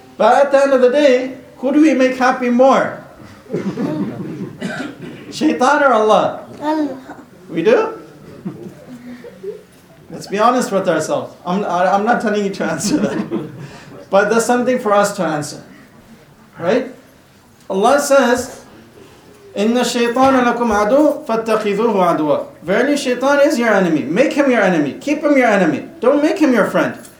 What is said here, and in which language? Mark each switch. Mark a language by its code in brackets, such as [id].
[en] But at the end of the day, who do we make happy more? Shaitan or Allah? Allah. We do? Let's be honest with ourselves. I'm not telling you to answer that. But there's something for us to answer. Right? Allah says, [ar] إِنَّ الشَّيْطَانَ لَكُمْ عَدُوٌ فَاتَّخِذُوهُ عَدُوًا. [en] Verily shaitan is your enemy. Make him your enemy. Keep him your enemy. Don't make him your friend.